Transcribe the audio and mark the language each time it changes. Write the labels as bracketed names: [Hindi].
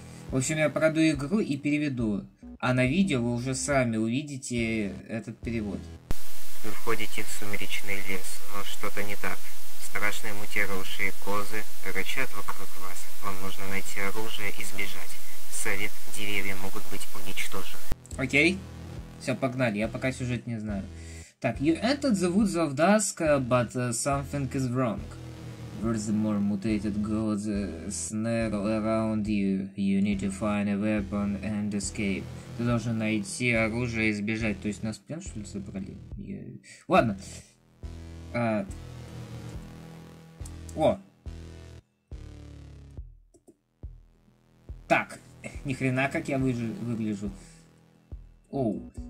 [Russian] В общем, я пройду игру и переведу. А на видео вы уже сами увидите этот перевод. Вы входите в сумеречный лес, но что-то не так. Страшные мутировавшие козы рычат вокруг вас. Вам нужно найти оружие и сбежать. Совет, деревья могут быть уничтожены. Окей. Все, погнали. Я пока сюжет не знаю. Так, [English] you entered the woods of Dusk, but something is wrong. There's more mutated gods snare around you. You need to find a weapon and escape. [Russian] Ты должен найти оружие и сбежать. То есть нас прям что ли забрали? Ладно. О! Так, нихрена как я выгляжу. Оу.